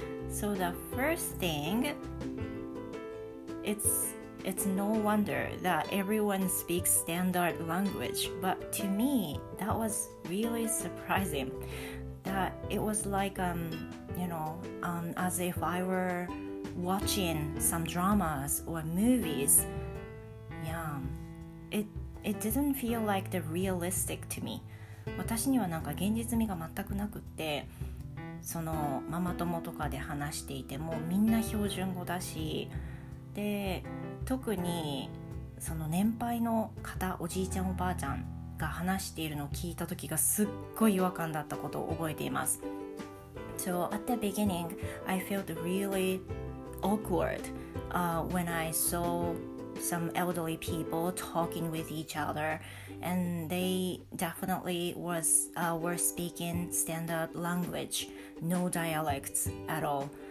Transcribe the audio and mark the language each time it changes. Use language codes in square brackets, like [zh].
[en] So the first thing, it's no wonder that everyone speaks standard language, but to me that was really surprising. It was like, as if I were watching some dramas or movies. Yeah, it didn't feel like the realistic to me. [ja] 私にはなんか現実味が全くなくって、そのママ友とかで話していてもみんな標準語だし、で、特にその年配の方、おじいちゃんおばあちゃん、が話しているのを聞いた時がすっごい違和感だったことを覚えています。 [en] So at the beginning, I felt really awkward, when I saw some elderly people talking with each other, and they definitely were speaking standard language, no dialects at all.